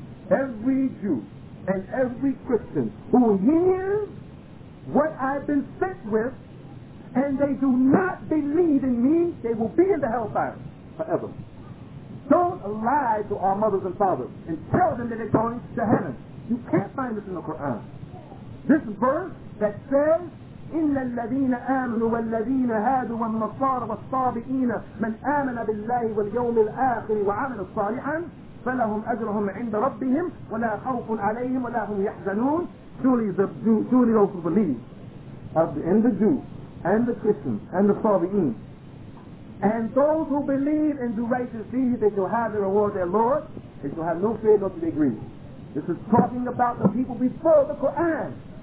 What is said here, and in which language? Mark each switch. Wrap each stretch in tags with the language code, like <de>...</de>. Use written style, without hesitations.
<en>Every Jew and every Christian who hears what I've been sent with and they do not believe in me, they will be in the hellfire forever. Don't lie to our mothers and fathers and tell them that they're going to heaven. You can't find this in the Quran. This verse that says,</en> <ar>إِنَّ الَّذِينَ آمَنُوا وَالَّذِينَ هَادُوا وَالنَّصَارَ وَالصَّابِئِينَ مَنْ آمَنَ بِاللَّهِ وَالْيَوْمِ الْآخِرِ وَعَمِلَ صَالِحًا فَلَهُمْ أَجْرُهُمْ عِنْدَ رَبِّهِمْ وَلَا خَوْفٌ عَلَيْهِمْ وَلَا هُمْ يَحْزَنُونَ.</ar> <en>Truly those who believe in the Jews and the Christians and the Sabi'een and those who believe and do righteous deeds, they shall have the reward of their Lord. They shall have no fear nor to be grieved. This is talking about the people before the Quran.</en>